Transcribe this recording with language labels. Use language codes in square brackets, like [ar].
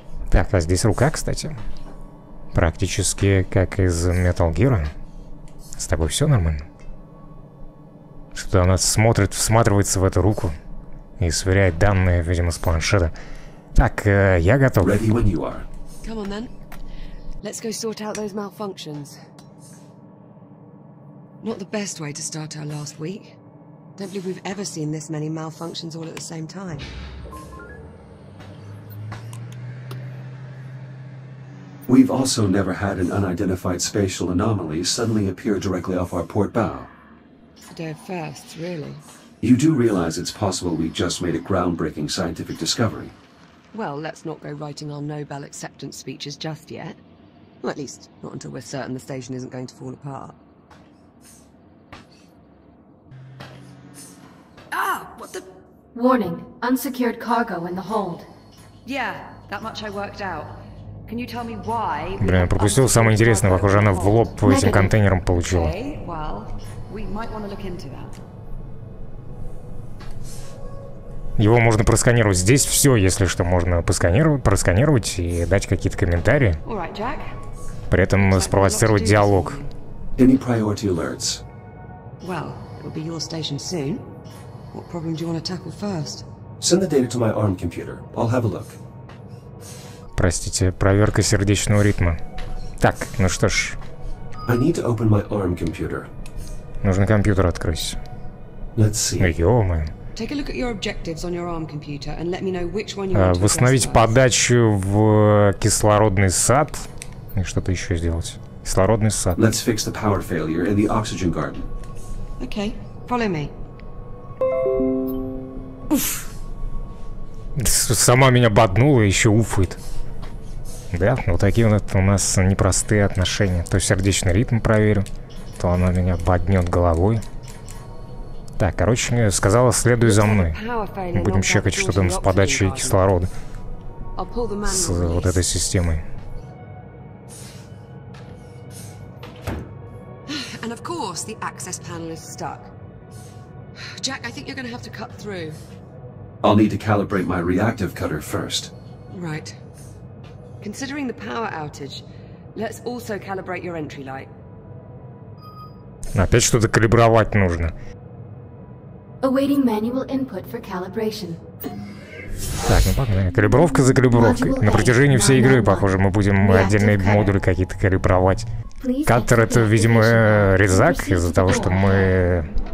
[ru] Так, а здесь рука, кстати. Практически как из Metal Gear. С тобой все нормально? Что-то она смотрит, всматривается в эту руку. И сверяет данные, видимо, с планшета. Так, я готов. [en] Ready when you are. Come on, then. Let's go sort out those malfunctions. Not the best way to start our last week. Don't believe we've ever seen this many malfunctions all at the same time. We've also never had an unidentified spatial anomaly suddenly appear directly off our port bow. Today first, really. You do realize it's possible we just made a groundbreaking scientific discovery. Well, let's not go writing our Nobel acceptance speeches just yet. Well, at least, not until we're certain the station isn't going to fall apart. Ah, what the... Warning, unsecured cargo in the hold. Yeah, that much I worked out. Can you tell me why? [ru] Блин, пропустил самое интересное. Похоже, она в лоб по этим контейнерам получила. [en] Okay, well, we might want to look into that. [ru] Его можно просканировать. Здесь все, если что, можно просканировать и дать какие-то комментарии. [en] Right, [ru] при этом спровоцировать диалог. [en] Any priority alerts? Well, it'll be your station soon. What problem do you want to tackle first? Send the data to my ARM computer. I'll have a look. [ru] Простите, проверка сердечного ритма. Так, ну что ж. [en] I need to open my ARM computer. [ru] Нужно компьютер открыть. [en] Let's see. [ru] Ё-моё. [en] Take a look at your objectives on your ARM computer and let me know which one you [ru] восстановить подачу в кислородный сад. И что-то еще сделать. Кислородный сад. [en] Let's fix the power failure in the oxygen garden. Okay, follow me. Уф. [ru] Сама меня боднула и еще уфует. Да, ну такие вот у нас непростые отношения. То сердечный ритм проверю, то она меня боднет головой. Так, короче, сказала, следуй за мной. Мы будем чекать, что там с подачей кислорода. С вот этой системой. [en] And of course, the access panel is stuck. Jack, I think you're gonna have to cut through. I'll need to calibrate my reactive cutter first. Right. Considering the power outage, let's also calibrate your entry light. [ru] Опять что-то калибровать нужно. [en] Awaiting manual input for calibration. [ru] Так, ну погнали. Калибровка за калибровкой. На протяжении всей игры, похоже, мы будем отдельные модули какие-то калибровать. Каттер — это, видимо, резак, из-за того, что мы...